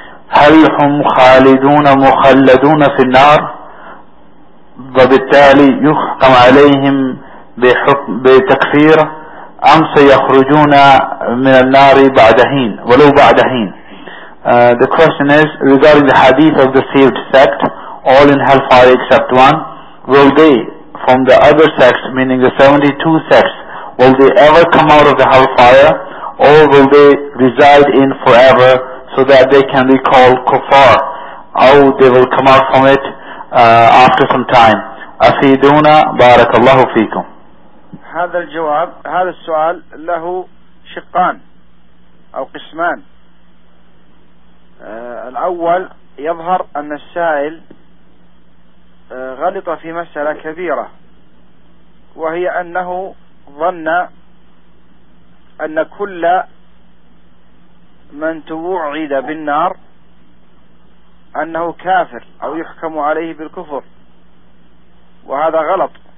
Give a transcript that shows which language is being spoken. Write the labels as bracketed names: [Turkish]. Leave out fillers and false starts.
[Arabic] هل هم خالدون مخلدون في النار وبالتالي يحكم عليهم بتكفير أم سيخرجون من النار بعد حين ولو بعد حين. [English] The question is regarding the hadith of the saved sect, all in hellfire except one, will they from the other sects, meaning the 72 sects, will they ever come out of the hellfire, or will they reside in forever so that they can be called kuffar, or they will come out from it after some time. [Arabic] Afiduna barakallahu feekum. هذا الجواب هذا السؤال له شقان أو قسمان. الأول يظهر أن السائل غلط في مسألة كبيرة، وهي أنه ظن أن كل من توعد بالنار أنه كافر أو يحكم عليه بالكفر، وهذا غلط.